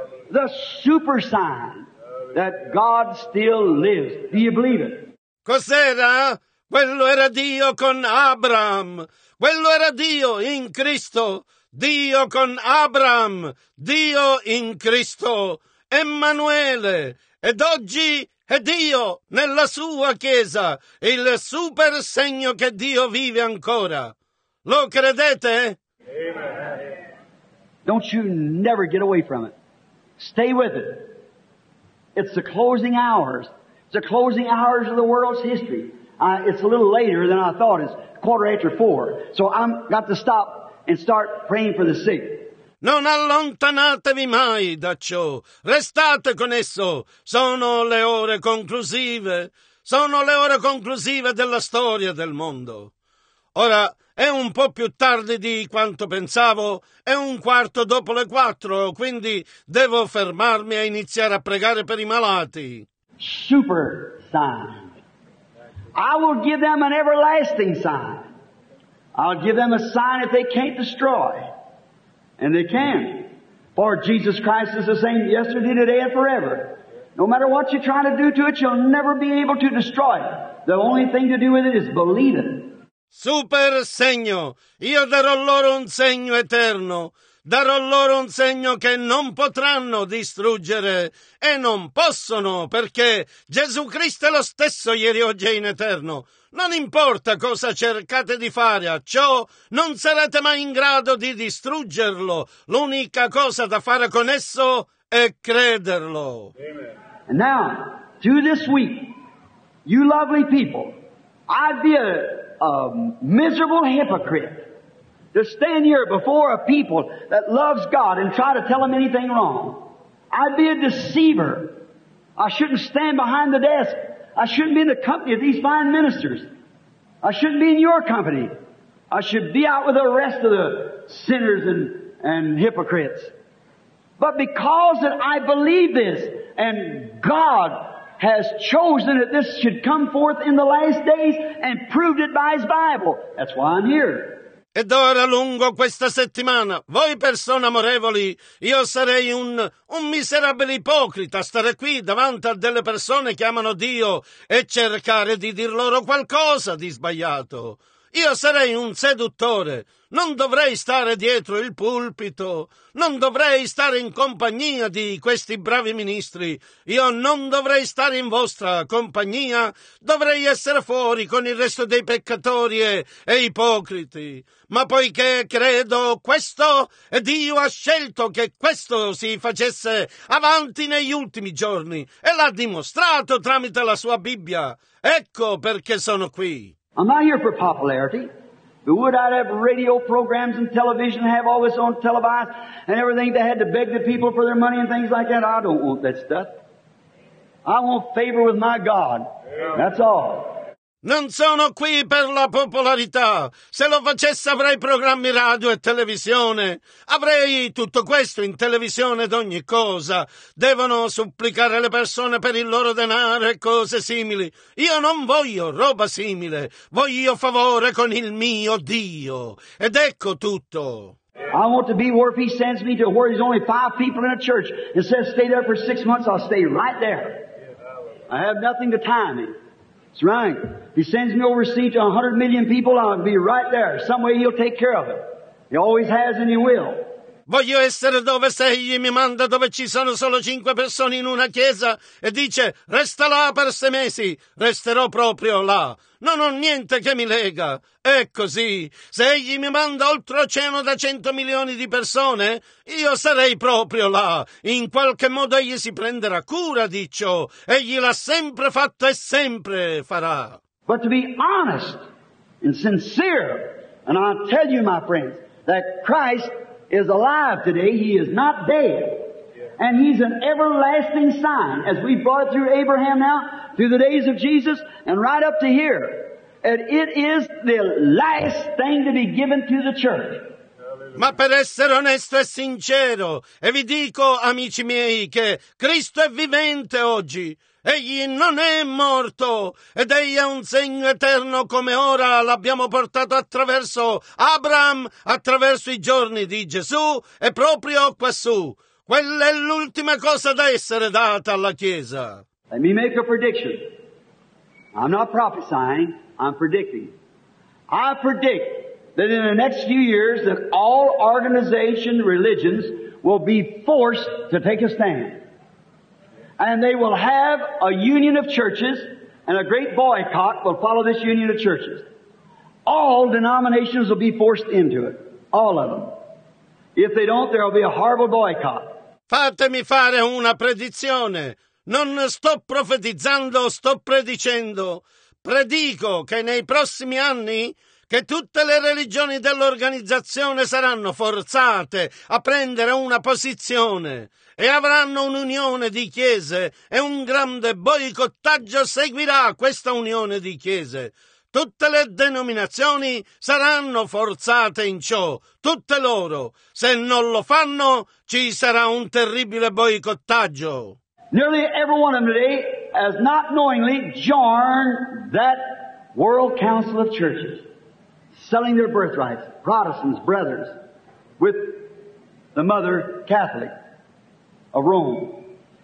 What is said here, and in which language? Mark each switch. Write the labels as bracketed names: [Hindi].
[English] The super sign that God still lives. Do you believe it? [Italian] Cos'era? Quello era Dio con Abram. Quello era Dio in Cristo. Dio con Abram. Dio in Cristo. Emanuele. Ed oggi è Dio nella sua Chiesa. Il super segno che Dio vive ancora. Lo credete? Amen. [English] Don't you never get away from it. Stay with it. It's the closing hours. It's the closing hours of the world's history. It's a little later than I thought. It's 4:15. So I've got to stop and start praying for the sick. [Italian] Non allontanatevi mai da ciò. Restate con esso. Sono le ore conclusive. Sono le ore conclusive della storia del mondo. Ora, è un po' più tardi di quanto pensavo. È 4:15, quindi devo fermarmi e iniziare a pregare per i malati. [English] Super sign. I will give them an everlasting sign. I'll give them a sign that they can't destroy. And they can. For Jesus Christ is the same yesterday, today, and forever. No matter what you try to do to it, you'll never be able to destroy it. The only thing to do with it is believe it. [Italian] Super segno. Io darò loro un segno eterno. Darò loro un segno che non potranno distruggere e non possono, perché Gesù Cristo è lo stesso ieri, oggi e in eterno. Non importa cosa cercate di fare a ciò, non sarete mai in grado di distruggerlo. L'unica cosa da fare con esso è crederlo. Amen. [English] And now, to this week, you lovely people, I'd be a miserable hypocrite to stand here before a people that loves God and try to tell them anything wrong. I'd be a deceiver. I shouldn't stand behind the desk. I shouldn't be in the company of these fine ministers. I shouldn't be in your company. I should be out with the rest of the sinners and hypocrites. But because that I believe this, and God has chosen that this should come forth in the last days and proved it by His Bible, that's why I'm here. [Italian] Ed ora, lungo questa settimana, voi persone amorevoli, io sarei un miserabile ipocrita stare qui davanti a delle persone che amano Dio e cercare di dir loro qualcosa di sbagliato. Io sarei un seduttore. Non dovrei stare dietro il pulpito. Non dovrei stare in compagnia di questi bravi ministri. Io non dovrei stare in vostra compagnia. Dovrei essere fuori con il resto dei peccatori e ipocriti. Ma poiché credo questo, e Dio ha scelto che questo si facesse avanti negli ultimi giorni, e l'ha dimostrato tramite la sua Bibbia, ecco perché sono qui. [English] I'm not here for popularity. But would I have radio programs and television, have all this on televised and everything, they had to beg the people for their money and things like that? I don't want that stuff. I want favor with my God. That's all. [Italian] Non sono qui per la popolarità. Se lo facessi avrei programmi radio e televisione. Avrei tutto questo in televisione ed ogni cosa. Devono supplicare le persone per il loro denaro e cose simili. Io non voglio roba simile. Voglio favore con il mio Dio. Ed ecco tutto. [English] I want to be where he sends me to, where there's only 5 people in a church. Instead of stay there for 6 months, I'll stay right there. I have nothing to tie me. That's right. He sends me overseas to 100 million people, I'll be right there. Some way he'll take care of it. He always has and he will. [Italian] Voglio essere dove se egli mi manda, dove ci sono solo 5 persone in una chiesa, e dice, resta là per 6 mesi, resterò proprio là. Non ho niente che mi lega. È così. Se egli mi manda oltreoceano da 100 milioni di persone, io sarei proprio là. In qualche modo egli si prenderà cura di ciò. Egli l'ha sempre fatto e sempre farà. [English] But to be honest and sincere, and I tell you, my friends, that Christ is alive today. He is not dead. And He's an everlasting sign, as we brought through Abraham now, through the days of Jesus, and right up to here. And it is the last thing to be given to the church. [Italian] Ma per essere onesto e sincero, e vi dico, amici miei, che Cristo è vivente oggi. Egli non è morto, ed egli è un segno eterno come ora l'abbiamo portato attraverso Abram, attraverso i giorni di Gesù, e proprio quassù. Quella è l'ultima cosa da essere data alla Chiesa. [English] Let me make a prediction. I'm not prophesying, I'm predicting. I predict that in the next few years that all organization religions will be forced to take a stand. And they will have a union of churches, and a great boycott will follow this union of churches. All denominations will be forced into it. All of them. If they don't, there will be a horrible boycott. [Italian] Fatemi fare una predizione. Non sto profetizzando, sto predicendo. Predico che nei prossimi anni che tutte le religioni dell'organizzazione saranno forzate a prendere una posizione e avranno un'unione di chiese e un grande boicottaggio seguirà questa unione di chiese. Tutte le denominazioni saranno forzate in ciò, tutte loro. Se non lo fanno, ci sarà un terribile boicottaggio. [English] Nearly every one of them today has not knowingly joined that World Council of Churches, selling their birthrights, Protestants, brothers, with the mother Catholic of Rome.